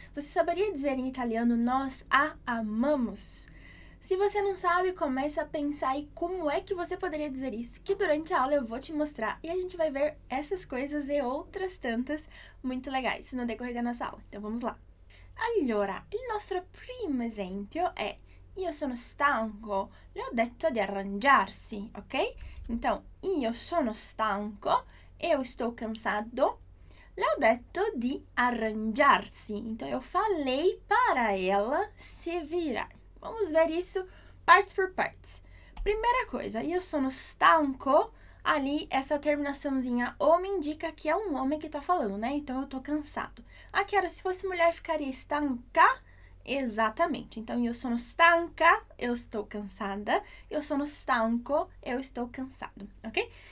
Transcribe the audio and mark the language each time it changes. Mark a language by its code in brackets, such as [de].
[pt] Você saberia dizer em italiano nós a amamos? Se você não sabe, comece a pensar aí como é que você poderia dizer isso, que durante a aula eu vou te mostrar e a gente vai ver essas coisas e outras tantas muito legais no decorrer da nossa aula. Então vamos lá. [it] Allora, il nostro primo esempio è: io sono stanco, le ho detto di arrangiarsi, ok? Então, io sono stanco, [pt] eu estou cansado, [it] le ho detto di arrangiarsi. [pt] Então, eu falei para ela se virar. Vamos ver isso parte por partes. Primeira coisa, [it] io sono stanco. [pt] Ali, essa terminaçãozinha homem indica que é um homem que está falando, né? Então, eu estou cansado. Aqui era, se fosse mulher, ficaria stanca. Exatamente. Então, [it] io sono stanca, [pt] eu estou cansada. [it] Io sono stanco, [pt] eu estou cansado, ok?